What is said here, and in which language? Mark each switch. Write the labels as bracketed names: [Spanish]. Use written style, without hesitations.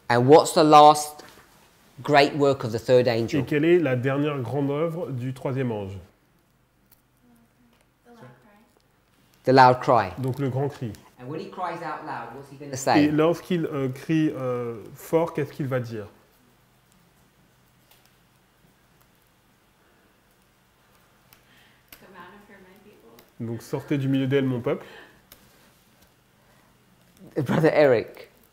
[English] And what's the last great work of the third angel? [French] Et quelle est la dernière grande œuvre du troisième ange? [English] The loud cry. [French] Donc le grand cri. [English] And when he cries out loud, what's he going to say? [French] Et lorsqu'il crie fort, qu'est-ce qu'il va dire? [English] Come out of here, my people. [French] Donc sortez du milieu d'elle, mon peuple. [English] Brother Eric.